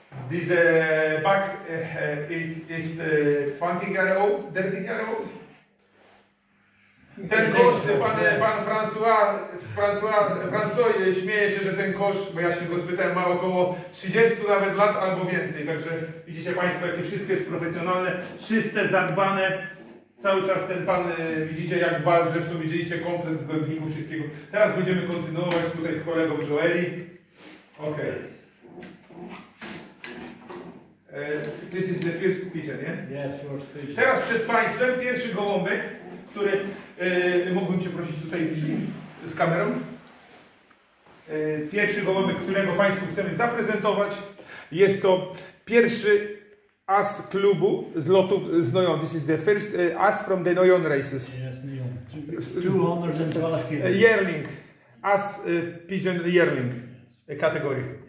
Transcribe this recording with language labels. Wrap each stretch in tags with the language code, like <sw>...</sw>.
<en>This bag, it is 20-year-old, 30-year-old.</en> <pl>Ten kosz, pan François śmieje się, że ten kosz, bo ja się go spytałem, ma około 30 nawet lat albo więcej. Także widzicie Państwo, jakie wszystko jest profesjonalne, czyste, zadbane. Cały czas ten pan, widzicie, jak dba, zresztą widzieliście komplet z gołębników wszystkiego. Teraz będziemy kontynuować tutaj z kolegą Joeli. Ok.</pl> <en>This is the first pigeon, nie? Yeah? Yes, first pigeon.</en> <pl>Teraz przed Państwem pierwszy gołąbek, który mógłbym Cię prosić tutaj z kamerą. Pierwszy gołąbek, którego Państwu chcemy zaprezentować, jest to pierwszy as klubu z lotów z Noyon.</pl> <en>This is the first as from the Noyon races. Yes, Noyon. 212 kg. Yearling. As pigeon yearling category.</en>